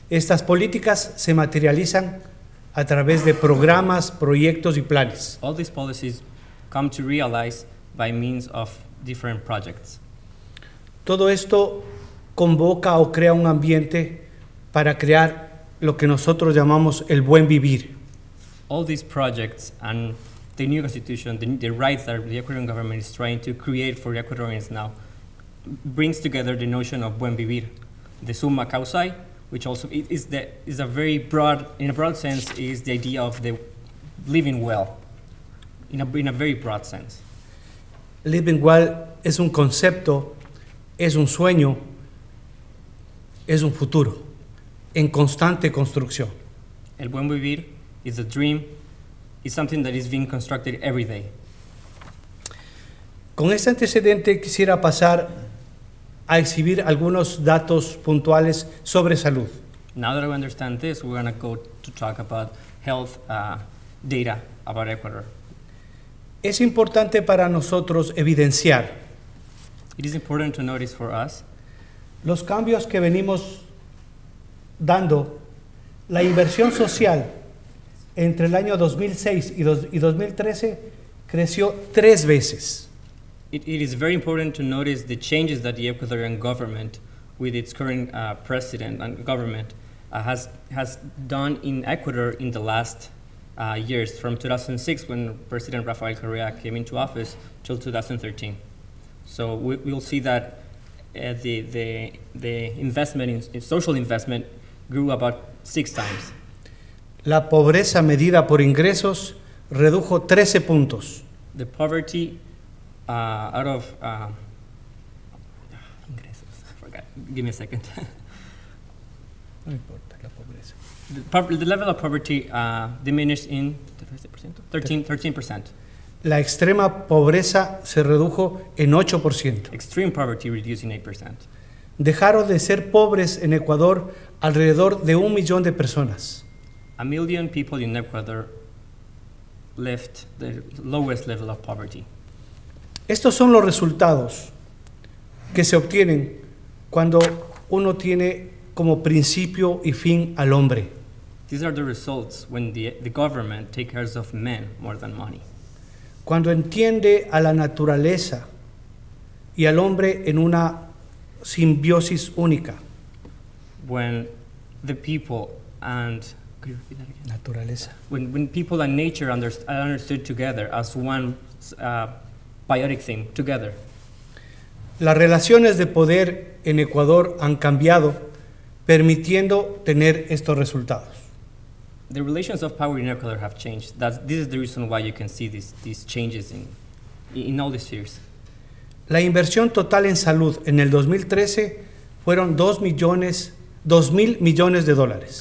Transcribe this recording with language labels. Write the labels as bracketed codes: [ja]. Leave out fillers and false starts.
[es] Estas políticas se materializan a través de programas, proyectos y planes. [en] All these policies come to realize by means of different projects. [es] Todo esto convoca o crea un ambiente para crear lo que nosotros llamamos el buen vivir. [en] All these projects and the new constitution, the rights that the Ecuadorian government is trying to create for the Ecuadorians now, brings together the notion of buen vivir, the summa causae, which also is a very broad, in a broad sense, is the idea of the living well, in a very broad sense. [es] Living well es un concepto, es un sueño, es un futuro, en constante construcción. [en] El buen vivir is a dream, is something that is being constructed every day. [es] Con este antecedente quisiera pasar a exhibir algunos datos puntuales sobre salud. [en] Now that we understand this, we're going to go to talk about health data about Ecuador. [es] Es importante para nosotros evidenciar. [en] It is important to notice for us. [es] Los cambios que venimos dando, la inversión social entre el año 2006 y 2013 creció tres veces. [en] It is very important to notice the changes that the Ecuadorian government, with its current president and government, has done in Ecuador in the last years, from 2006 when President Rafael Correa came into office till 2013. So we'll see that the investment in social investment grew about six times. [es] La pobreza medida por ingresos redujo 13 puntos. [en] The poverty out of ingresos. I forgot. Give me a second. [es] No importa la pobreza. [en] The level of poverty diminished in 13%. [es] La extrema pobreza se redujo en 8%. [en] Extreme poverty reduced in 8%. [es] Dejaron de ser pobres en Ecuador alrededor de 1 millón de personas. [en] A million people in Ecuador left the lowest level of poverty. [es] Estos son los resultados que se obtienen cuando uno tiene como principio y fin al hombre. [en] These are the results when the government takes care of men more than money. [es] Cuando entiende a la naturaleza y al hombre en una simbiosis única. [en] When the people and [es] naturaleza. [en] When people and nature understood together as one biotic thing together. [es] Las relaciones de poder en Ecuador han cambiado, permitiendo tener estos resultados. [en] The relations of power in Ecuador have changed. This is the reason why you can see these changes in all these years. [es] La inversión total en salud en el 2013 fueron $2 billion.